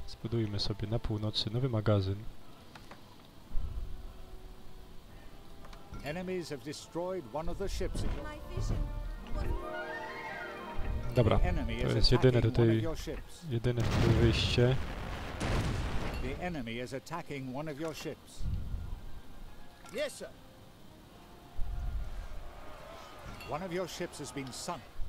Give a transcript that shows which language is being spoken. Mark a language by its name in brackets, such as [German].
[Polish] Zbudujmy sobie na północy nowy magazyn. [English] Enemies have destroyed one of the ships. My vision was... [Polish] Dobra, to jest jedyne tutaj wyjście. [English] The enemy is attacking one of your ships. Yes, sir. One of your ships has been sunk.